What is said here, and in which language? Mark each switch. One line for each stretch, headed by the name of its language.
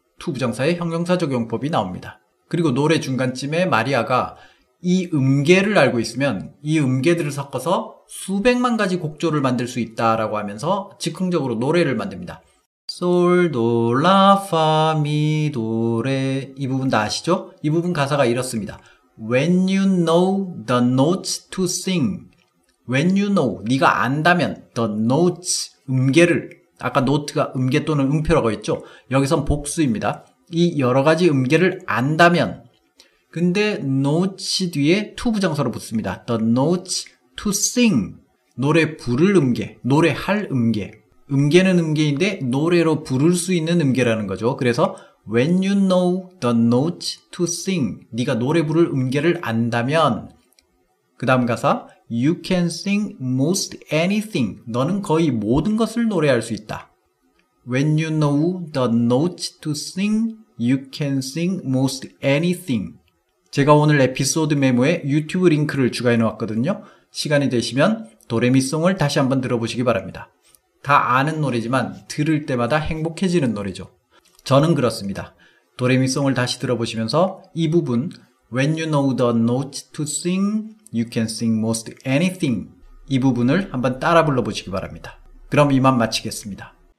Korean: to 부정사의 형용사 적용법이 나옵니다. 그리고 노래 중간쯤에 마리아가 이 음계를 알고 있으면 이 음계들을 섞어서 수백만 가지 곡조를 만들 수 있다라고 하면서 즉흥적으로 노래를 만듭니다. 솔, 도, 라, 파, 미, 도, 레. 이 부분 다 아시죠? 이 부분 가사가 이렇습니다.
English: When you know the notes to sing. When you know,
Korean: 네가 안다면
English: the notes,
Korean: 음계를. 아까 노트가 음계 또는 음표라고 했죠? 여기선 복수입니다. 이 여러 가지 음계를 안다면. 근데 notes 뒤에 to 부정사로 붙습니다.
English: The notes to sing.
Korean: 노래 부를 음계, 노래할 음계. 음계는 음계인데 노래로 부를 수 있는 음계라는 거죠. 그래서
English: When you know the notes to sing.
Korean: 네가 노래 부를 음계를 안다면. 그 다음 가사
English: You can sing most anything.
Korean: 너는 거의 모든 것을 노래할 수 있다.
English: When you know the notes to sing, you can sing most anything.
Korean: 제가 오늘 에피소드 메모에 유튜브 링크를 추가해 놓았거든요. 시간이 되시면 도레미송을 다시 한번 들어보시기 바랍니다. 다 아는 노래지만 들을 때마다 행복해지는 노래죠. 저는 그렇습니다. 도레미송을 다시 들어보시면서 이 부분
English: When you know the notes to sing, you can sing most anything.
Korean: 이 부분을 한번 따라 불러보시기 바랍니다. 그럼 이만 마치겠습니다.